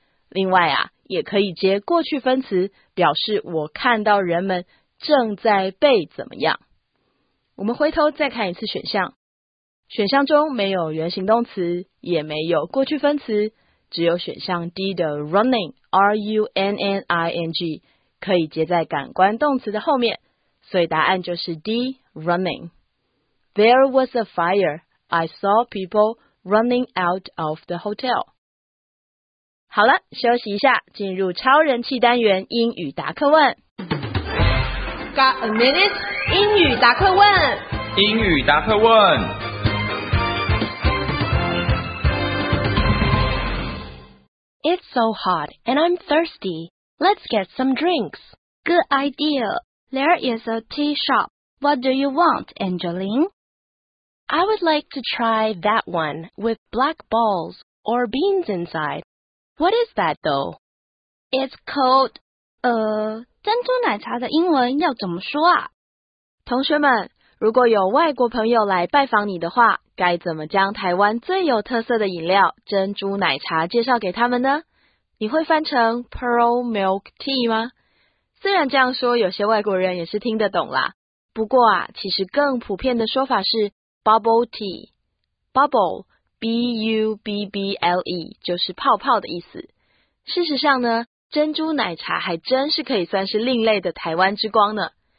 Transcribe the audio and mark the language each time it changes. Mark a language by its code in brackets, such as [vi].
[zh] 另外啊，也可以接过去分词，表示我看到人们正在被怎么样。我们回头再看一次选项，选项中没有原形动词，也没有过去分词，只有选项 D 的 running R-U-N-N-I-N-G 可以接在感官动词的后面，所以答案就是 D running。 [en] There was a fire. I saw people running out of the hotel. [zh] 好了，休息一下，进入超人气单元英语答客问。 [en] Got a minute? [zh] 英语答客问，英语答客问。 [en] It's so hot, and I'm thirsty. Let's get some drinks. Good idea. There is a tea shop. What do you want, Angeline? I would like to try that one with black balls or beans inside. What is that, though? It's called... [zh] 珍珠奶茶的英文要怎么说啊？同学们，如果有外国朋友来拜访你的话，该怎么将台湾最有特色的饮料珍珠奶茶介绍给他们呢？你会翻成 Pearl Milk Tea 吗？虽然这样说有些外国人也是听得懂啦，不过啊，其实更普遍的说法是 Bubble Tea。 Bubble B-U-B-B-L-E 就是泡泡的意思。事实上呢，珍珠奶茶还真是可以算是另类的台湾之光呢。